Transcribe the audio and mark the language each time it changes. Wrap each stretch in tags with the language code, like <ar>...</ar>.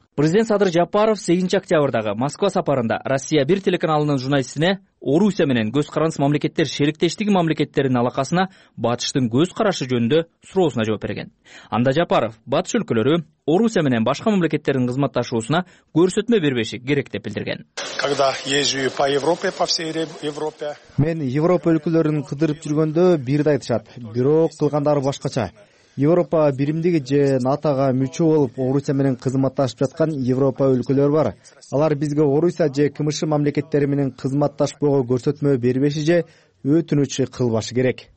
<ky>Президент Садыр Жапаров 8 октябрдагы Москва сапарында Россия 1 телеканалынын журналистине Орусия менен көз карас мамлекеттер шериктештиги мамлекеттердин алакасына батыштын көз карашы жөнүндө суроосуна жооп берген. Анда Жапаров батыш өлкөлөрү Орусия менен башка мамлекеттердин кызматташуусуна көрсөтмө бербеши керек деп билдирген.</ky> <ru>Когда езжу по Европе, по всей Европе.</ru> <ky>Мен Европа өлкөлөрүн кыдырып жүргөндө бирди айтышат, бирок кылгандары башкача. Европа биримдиги же НАТОга мүчө болуп Орусия менен кызматташып жаткан Европа өлкөлөрү бар. Алар бизге Орусия же КМШ мамлекеттери менен кызматташпоого көрсөтмө бербеши же өтүнүч кылбашы керек.</ky>